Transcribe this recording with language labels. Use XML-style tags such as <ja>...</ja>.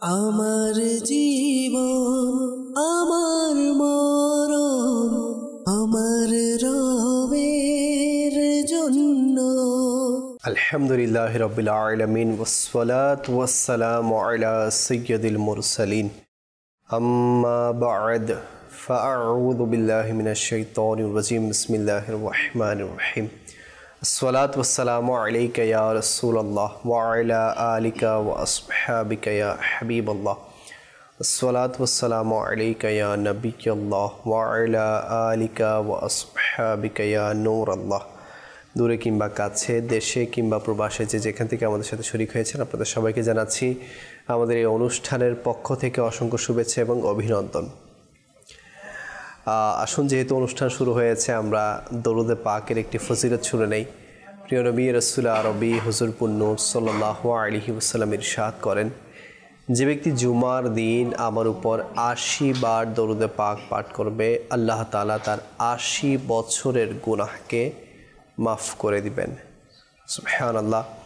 <bn>আমার জীবন আমার মরণ আমার রবের জন্য।</bn> <ar>আলহামদুলিল্লাহ রাব্বিল আলামিন والصلاه والسلام على سيد المرسلين اما بعد فاعوذ بالله من الشيطان الرجيم بسم الله الرحمن الرحيم الصلاة والسلام عليك يا رسول الله وعلى آلك وأصحابك يا حبيب الله الصلاة والسلام عليك يا نبي الله وعلى آلك وأصحابك يا نور الله</ar> <bn>দূরে কিংবা কাছে, দেশে কিংবা প্রবাসে, যে যেখান থেকে আমাদের সাথে শরিক হয়েছেন, আপনাদের সবাইকে জানাচ্ছি আমাদের এই অনুষ্ঠানের পক্ষ থেকে অসংখ্য শুভেচ্ছা এবং অভিনন্দন। আসুন, যেহেতু অনুষ্ঠান শুরু হয়েছে, আমরা দরুদে পাকের একটি ফজিলত শুনে নেই। প্রিয় নবী রাসূলুল্লাহ আরবি হুজুর পূর্ণ সাল্লাল্লাহু আলাইহি ওয়াসাল্লাম ইরশাদ করেন, যে ব্যক্তি জুমার দিন আমার উপর 80 বার দরুদে পাক পাঠ করবে, আল্লাহ তাআলা তার 80 বছরের গুনাহকে মাফ করে দিবেন। সুবহানাল্লাহ।</bn>